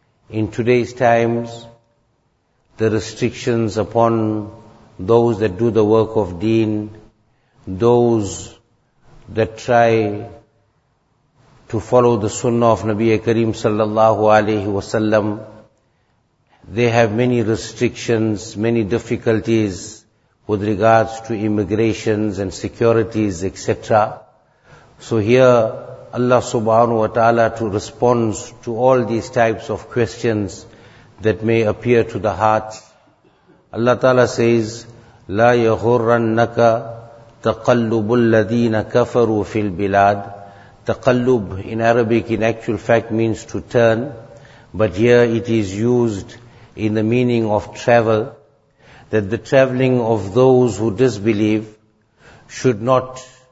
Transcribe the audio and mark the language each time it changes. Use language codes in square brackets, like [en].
[en] In today's times, the restrictions upon those that do the work of deen, those that try to follow the sunnah of Nabi Kareem sallallahu alayhi wa sallam, they have many restrictions, many difficulties with regards to immigrations and securities, etc. So here Allah subhanahu wa ta'ala to responds to all these types of questions that may appear to the hearts. Allah ta'ala says, [ar] لَا يَغُرَّنَّكَ تَقَلُّبُ الَّذِينَ كَفَرُوا فِي الْبِلَادِ. [en] تَقَلُّب in Arabic in actual fact means to turn, but here it is used in the meaning of travel, that the traveling of those who disbelieve should not